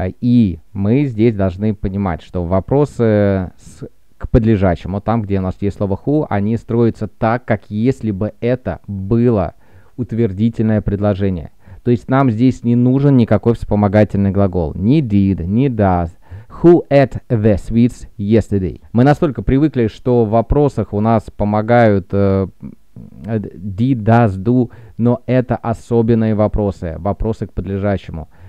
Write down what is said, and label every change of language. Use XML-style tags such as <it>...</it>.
<ru>И мы здесь должны понимать, что вопросы к подлежащему, там, где у нас есть слово who, они строятся так, как если бы это было утвердительное предложение. То есть нам здесь не нужен никакой вспомогательный глагол. Ни did, ни does.</ru> <en>Who ate the sweets yesterday?</en> <ru>Мы настолько привыкли, что в вопросах у нас помогают did, does, do, но это особенные вопросы, вопросы к подлежащему.</ru>